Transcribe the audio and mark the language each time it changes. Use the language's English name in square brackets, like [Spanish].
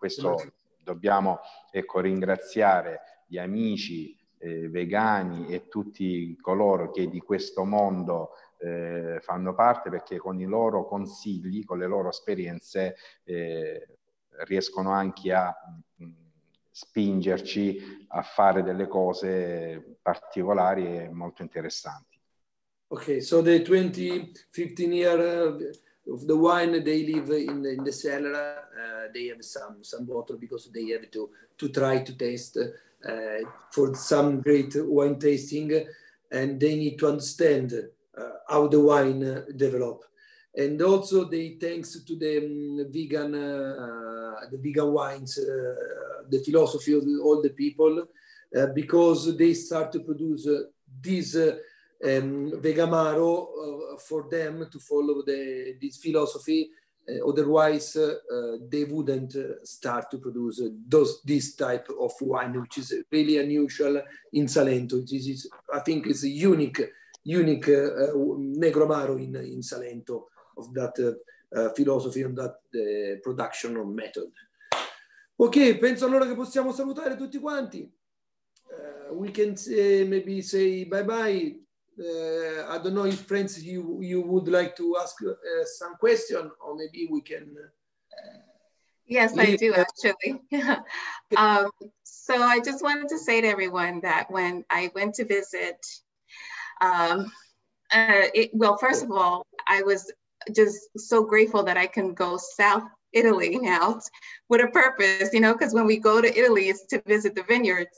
[Italian] Questo dobbiamo, ecco, ringraziare gli amici vegani e tutti coloro che di questo mondo fanno parte, perché con i loro consigli, con le loro esperienze riescono anche a spingerci a fare delle cose particolari e molto interessanti. [English] Okay, so the 20, 15 years of the wine, they live in the cellar. They have some bottle because they have to try to taste for some great wine tasting. And they need to understand how the wine develop. And also they thanks to the vegan wines, the philosophy of all the people, because they start to produce these Vegamaro for them to follow this philosophy, otherwise they wouldn't start to produce this type of wine, which is really unusual in Salento. This is, I think, is a unique Negro Amaro in Salento, of that philosophy and that production or method. [Italian] Ok, penso allora che possiamo salutare tutti quanti. [English] We can maybe say bye bye. I don't know if friends you would like to ask some question, or maybe we can. Yes, I do actually. So I just wanted to say to everyone that when I went to visit, first of all, I was just so grateful that I can go South Italy now with a purpose, you know, because when we go to Italy, it's to visit the vineyard.